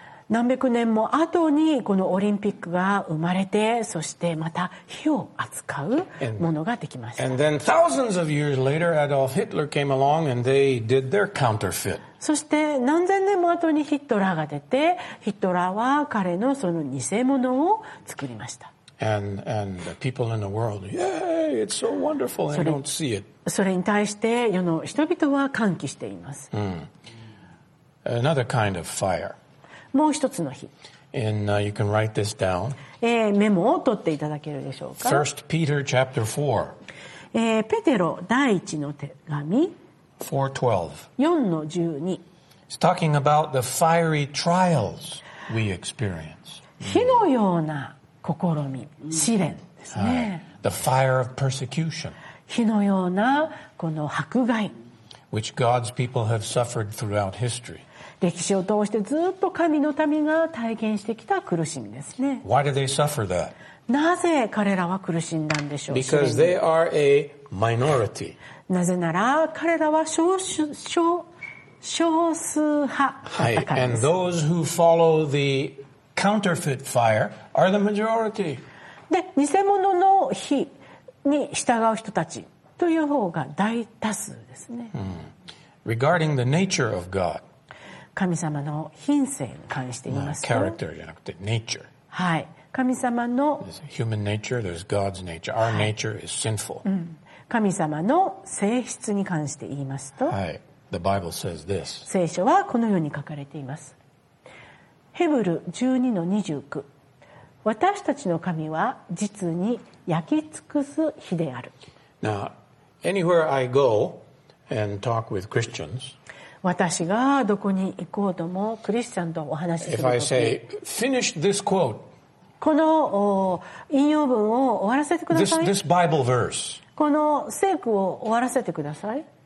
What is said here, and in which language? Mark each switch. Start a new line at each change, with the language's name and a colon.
Japanese: 何百年も後にこのオリンピックが生まれて、そしてまた火を扱うものができました。
English: And then thousands of years later, Adolf Hitler came along and they did their counterfeit.
Japanese: そして何千年も後にヒトラーが出て、ヒトラーは彼のその偽物を作りました。
English: And the people in the world, yay, it's so wonderful, they don't see it.
Japanese: それに対して世の人々は歓喜しています。
English: Another kind of fire.
Japanese: もう一つの日。
English: And, you can write this down.
Japanese: メモを取っていただけるでしょうか。
English: First Peter chapter 4.
Japanese: ペテロ第一の手紙。
English: 4:12.
Japanese: 4:12.
English: It's talking about the fiery trials we experience.
Japanese: 火のような試み、試練ですね。
English: Right. The fire of persecution.
Japanese: 火のようなこの迫害。
English: Which God's people have suffered throughout history.
Japanese: 歴史を通してずっと神の民が体験してきた苦しみですね。
English: Why do they suffer that?
Japanese: なぜ彼らは苦しんだんでしょう。
English: Because they are a minority.
Japanese: なぜなら彼らは少数、少、少数派だからです。はい。
English: And those who follow the counterfeit fire are the majority.
Japanese: で、偽物の火に従う人たちという方が大多数ですね。 Mm.
English: Regarding the nature of God.
Japanese: 神様の品性に関して言いますと。
English: No, character
Japanese: じゃなくて
English: nature.
Japanese: はい。神様の。
English: There's human nature, there's God's nature. Our nature is sinful.
Japanese: うん。神様の性質に関して言いますと。
English: はい。The Bible says this.
Japanese: 聖書はこのように書かれています。ヘブル 12-29。私たちの神は実に焼き尽くす火である。
English: Now, anywhere I go and talk with Christians,
Japanese: 私がどこに行こうともクリスチャンとお話しする
English: 時、 If I say, finish this quote,
Japanese: この引用文を終わらせてください。
English: This Bible verse,
Japanese: この聖句を終わらせてください。